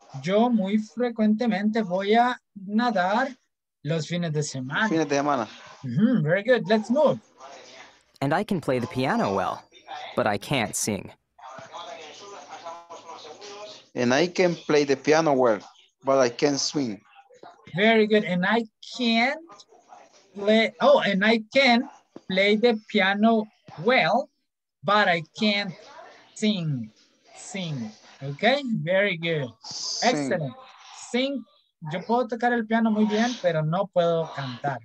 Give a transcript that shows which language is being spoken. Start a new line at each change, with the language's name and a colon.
Spanish: Yo muy frecuentemente voy a nadar los fines de semana. Fines de semana.
English: Mm-hmm. Very good. Let's move. And I can play the piano well, but I can't sing. And I can play the piano well, but I can't swim. Very good. And I can't play. Oh, and I can play the piano well, but I can't sing. Sing. Okay? Very good. Sing. Excellent. Sing.
Spanish: Yo puedo tocar el piano muy bien, pero no puedo cantar.